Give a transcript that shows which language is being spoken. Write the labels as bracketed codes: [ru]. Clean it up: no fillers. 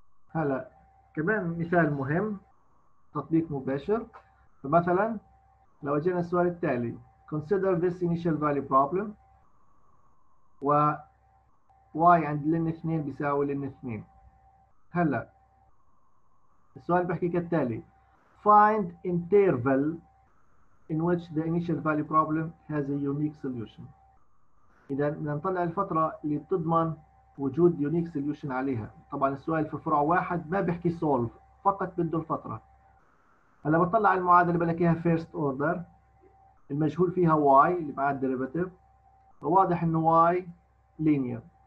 [ar] هلا كمان مثال مهم، تطبيق مباشر. فمثلا لو أجينا السؤال التالي: [en] consider this initial value problem [ar] و y عند ln 2 بيساوي ln 2. هلا السؤال بحكي كالتالي: [en] find interval in which the initial value problem has a unique solution. [ar] إذا بدنا نطلع الفترة اللي بتضمن وجود unique solution عليها. طبعا السؤال في فرع واحد ما بحكي solve، فقط بده الفترة. هلا بطلع المعادلة اللي بلاقيها first order، المجهول فيها y اللي معاه الديريفيتيف، وواضح انه y linear.